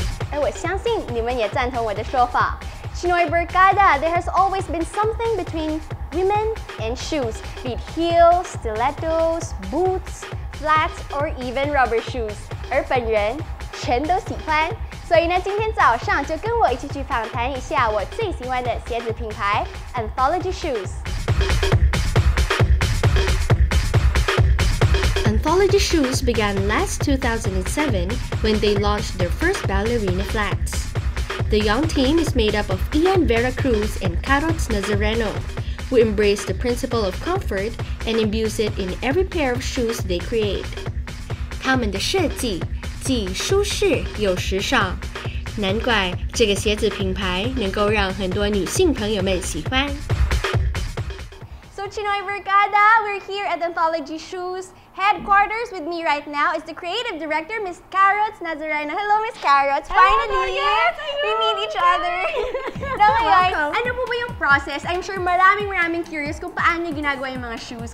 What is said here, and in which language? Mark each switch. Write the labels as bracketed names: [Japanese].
[Chinese] And 我相信你们也赞同我的说法。 [English] CHInoy Barkada, there has always been something between women and shoes, be it heels, stilettos, boots, flats, or even rubber shoes. [Chinese] 而本人全都喜欢。所以呢，今天早上就跟我一起去访谈一下我最喜欢的鞋子品牌 Anthology Shoes。 [English] Anthology Shoes began last 2007 when they launched their first ballerina flats. The young team is made up of Ian Vera Cruz and Carlos Nazareno, who embrace the principle of comfort and imbues it in every pair of shoes they create. [Chinese] 他们的设计。既舒适又时尚，难怪这个鞋子品牌能够让很多女性朋友们喜欢。 [English] So CHInoy Barkada, we're here at Anthology Shoes headquarters. With me right now is the creative director, Miss Carrots Nazareno. Hello, Miss Carrots. Finally, hello, yes, we meet each other. Welcome. [Filipino] Ano po ba yung process? [English] I'm sure [Filipino] maraming curious kung paano ginagawa yung mga shoes.